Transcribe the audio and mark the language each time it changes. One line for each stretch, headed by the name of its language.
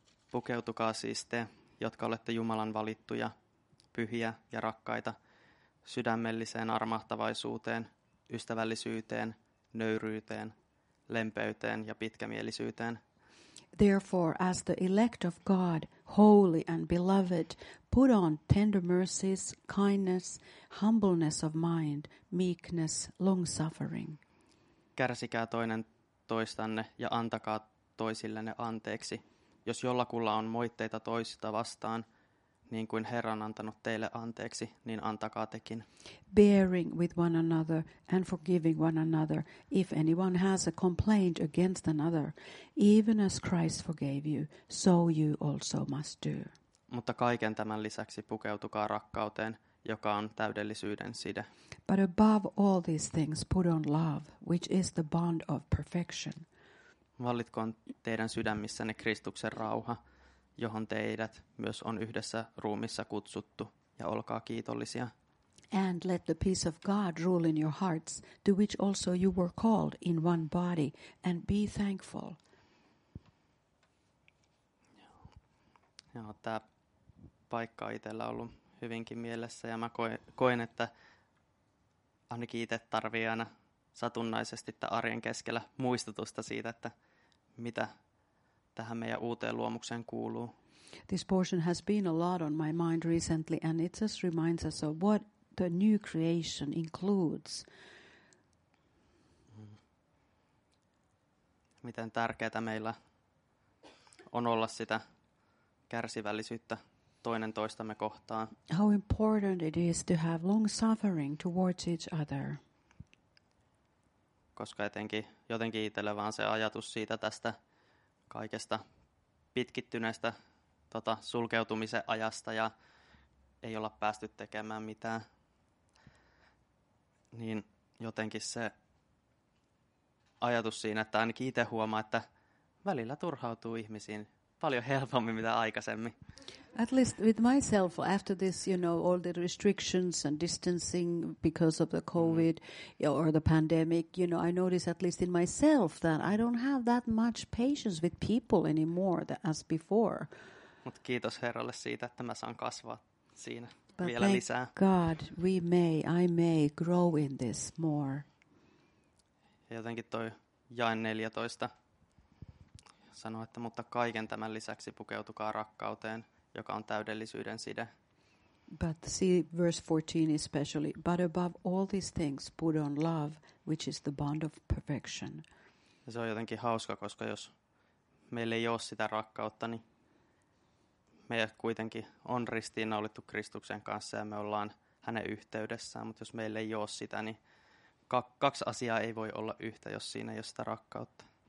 Finnish: Pukeutukaa siis te, jotka olette Jumalan valittuja, pyhiä ja rakkaita, sydämelliseen armahtavaisuuteen, ystävällisyyteen, nöyryyteen, lempeyteen ja pitkämielisyyteen.
English: Therefore, as the elect of God, holy and beloved, put on tender mercies, kindness, humbleness of mind, meekness, long-suffering.
Finnish: Kärsikää toinen toistanne ja antakaa toisillenne anteeksi, jos jollakulla on moitteita toista vastaan, niin kuin Herra on antanut teille anteeksi, niin antakaa tekin.
English: Bearing with one another and forgiving one another, if anyone has a complaint against another, even as Christ forgave you, so you also must do.
Finnish: Mutta kaiken tämän lisäksi pukeutukaa rakkauteen, joka on täydellisyyden side.
English: But above all these things, put on love, which is the bond of perfection.
Finnish: Vallitkoon teidän sydämissänne Kristuksen rauha, johon teidät myös on yhdessä ruumissa kutsuttu, ja olkaa kiitollisia.
English: And let the peace of God rule in your hearts, to which also you were called in one body, and be thankful.
Finnish: Joo, tämä paikka on itsellä ollut hyvinkin mielessä ja mä koen, että ainakin itse tarvii aina satunnaisesti tai arjen keskellä muistutusta siitä, että mitä tähän meidän uuteen luomukseen kuuluu.
English: This portion has been a lot on my mind recently and it just reminds us of what the new creation includes.
Finnish: Miten tärkeää meillä on olla sitä kärsivällisyyttä toinen toistamme kohtaan.
English: How important it is to have long suffering towards each other.
Finnish: Koska jotenkin itselle vaan se ajatus siitä tästä kaikesta pitkittyneestä sulkeutumisen ajasta ja ei olla päästy tekemään mitään, niin jotenkin se ajatus siinä, että ainakin itse huomaa, että välillä turhautuu ihmisiin paljon helpommin mitä aikaisemmin.
English: At least with myself, after this, you know, all the restrictions and distancing because of the COVID or the pandemic, you know, I notice at least in myself that I don't have that much patience with people anymore as before.
Finnish: Mut kiitos Herralle siitä, että mä saan kasvaa siinä
English: but
Finnish: vielä lisää.
English: But thank God, I may grow in this more.
Finnish: Jotenkin toi jae 14 sanoo, että mutta kaiken tämän lisäksi pukeutukaa rakkauteen, joka on täydellisyyden side.
English: But see verse 14 especially, but above all these things put on love, which is the bond of perfection.
Finnish: Ja se on jotenkin hauska, koska jos meillä ei ole sitä rakkautta, niin meidät kuitenkin on ristiinnaulittu Kristuksen kanssa ja me ollaan hänen yhteydessään, mutta jos meillä ei ole sitä, niin kaksi asiaa ei voi olla yhtä, jos siinä ei ole sitä rakkautta.